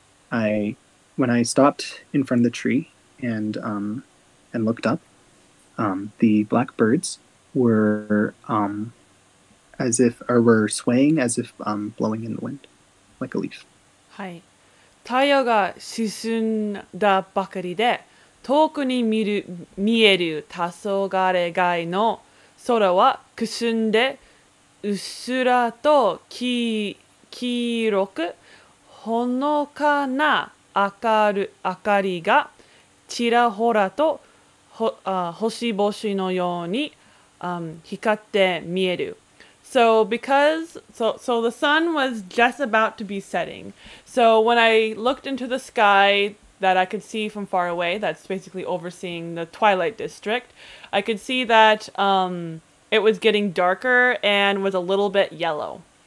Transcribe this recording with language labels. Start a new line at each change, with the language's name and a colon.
English: When I stopped in front of the tree and looked up, the blackbirds were swaying as if blowing in the wind, like a leaf.
Japanese: はい。太陽が沈んだばかりで、遠くに見える黄昏街の空はくすんで、うっすらと黄色く、ほのかな明かりがちらほらと星々のように光って見える。
English: So the sun was just about to be setting. So when I looked into the sky that I could see from far away, that's basically overseeing the Twilight District, I could see that it was getting darker and was a little bit yellow.